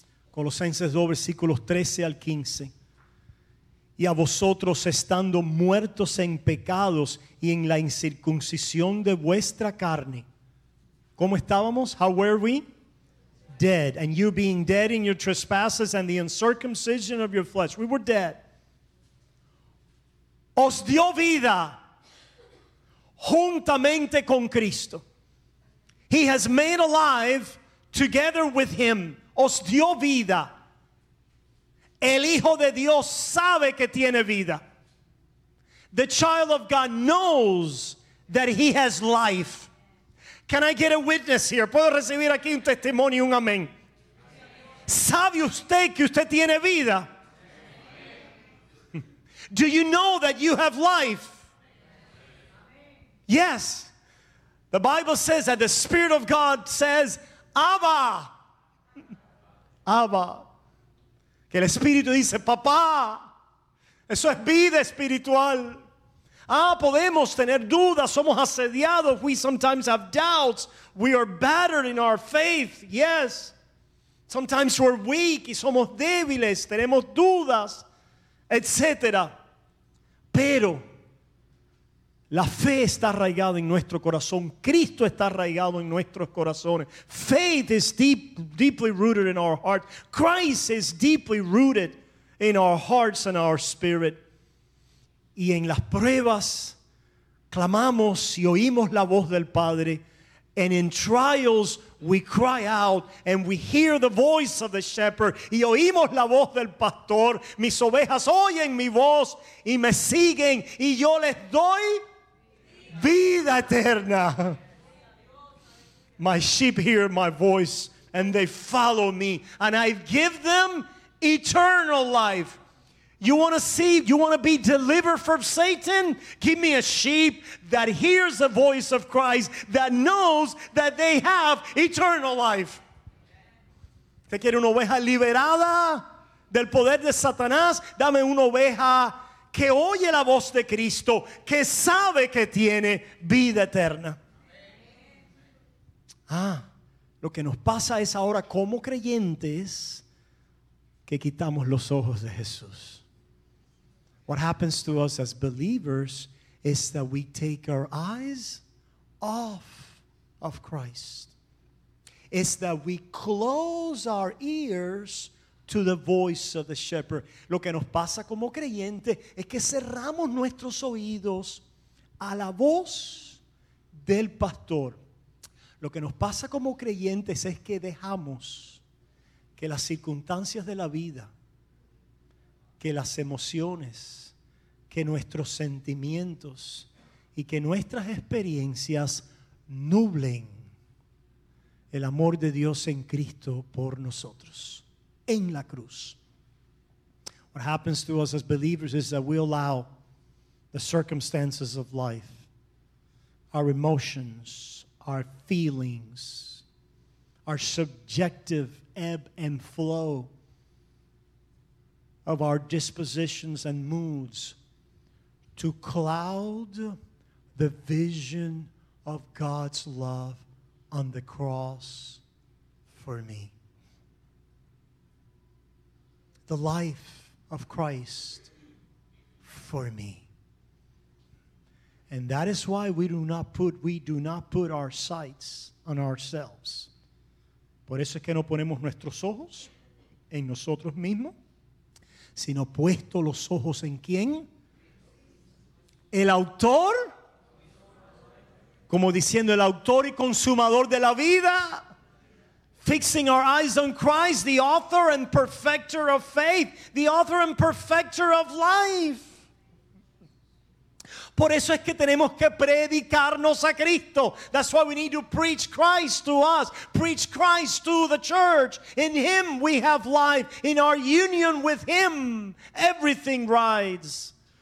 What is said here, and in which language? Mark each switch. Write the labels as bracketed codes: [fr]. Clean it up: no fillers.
[es] Colosenses 2, versículos 13 al 15. Y a vosotros estando muertos en pecados y en la incircuncisión de vuestra carne. ¿Cómo estábamos? [en] How were we? Dead. And you being dead in your trespasses and the uncircumcision of your flesh. We were dead. [es] Os dio vida. Juntamente con Cristo. [en] He has made alive together with him. [es] Os dio vida. El Hijo de Dios sabe que tiene vida. [en] The child of God knows that he has life. Can I get a witness here? [es] ¿Puedo recibir aquí un testimonio y un amén? ¿Sabe usted que usted tiene vida? [en] Do you know that you have life? Yes, the Bible says that the Spirit of God says, Abba. [es] Abba. Que el Espíritu dice, Papá. Eso es vida espiritual. Ah, podemos tener dudas. Somos asediados. [en] We sometimes have doubts. We are battered in our faith. Yes. Sometimes we're weak [es] y somos débiles. Tenemos dudas, etc. Pero La fe está arraigada en nuestro corazón. Cristo está arraigado en nuestros corazones. [en] Faith is deeply rooted in our heart. Christ is deeply rooted in our hearts and our spirit. [es] Y en las pruebas clamamos y oímos la voz del Padre. [en] And in trials we cry out and we hear the voice of the shepherd. [es] Y oímos la voz del pastor. Mis ovejas oyen mi voz y me siguen y yo les doy vida eterna. [en] My sheep hear my voice and they follow me and I give them eternal life. You want to see, you want to be delivered from Satan? Give me a sheep that hears the voice of Christ, that knows that they have eternal life. [es] ¿Te quiere una oveja liberada del poder de Satanás? Dame una oveja que oye la voz de Cristo, que sabe que tiene vida eterna. Ah, lo que nos pasa es ahora como creyentes que quitamos los ojos de Jesús. [en] What happens to us as believers is that we take our eyes off of Christ. It's that we close our ears to the voice of the shepherd. [es] Lo que nos pasa como creyentes es que cerramos nuestros oídos a la voz del pastor. Lo que nos pasa como creyentes es que dejamos que las circunstancias de la vida, que las emociones, que nuestros sentimientos y que nuestras experiencias nublen el amor de Dios en Cristo por nosotros. En la cruz. [en] What happens to us as believers is that we allow the circumstances of life, our emotions, our feelings, our subjective ebb and flow of our dispositions and moods to cloud the vision of God's love on the cross for me. The life of Christ for me. And that is why we do not put our sights on ourselves. [es] Por eso es que no ponemos nuestros ojos en nosotros mismos, sino puesto los ojos en ¿quién? El autor, como diciendo el autor y consumador de la vida. [en] Fixing our eyes on Christ, the author and perfecter of faith, the author and perfecter of life. [es] Por eso es que tenemos que predicarnos a Cristo. [en] That's why we need to preach Christ to us, preach Christ to the church. In Him we have life. In our union with Him, everything rides.